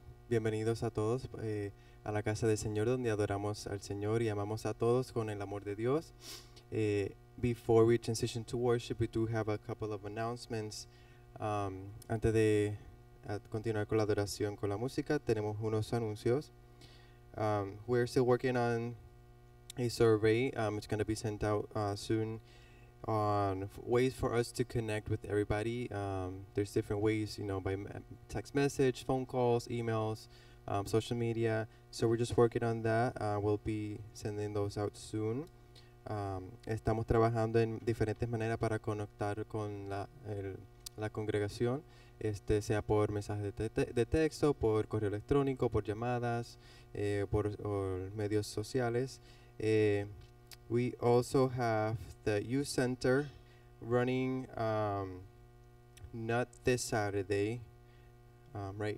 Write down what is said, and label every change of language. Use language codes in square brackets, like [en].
[es] Bienvenidos a todos a la casa del Señor, donde adoramos al Señor y amamos a todos con el amor de Dios. [en] Before we transition to worship, we do have a couple of announcements. [es] Antes de continuar con la adoración con la música, tenemos unos anuncios. [en] We're still working on a survey. It's going to be sent out soon on ways for us to connect with everybody. There's different ways, you know, by text message, phone calls, emails, social media. So we're just working on that. We'll be sending those out soon. [es] Estamos trabajando en diferentes maneras para conectar con la congregación, sea por mensaje de texto, por correo electrónico, por llamadas, por medios sociales. [en] We also have the youth center running not this Saturday, right?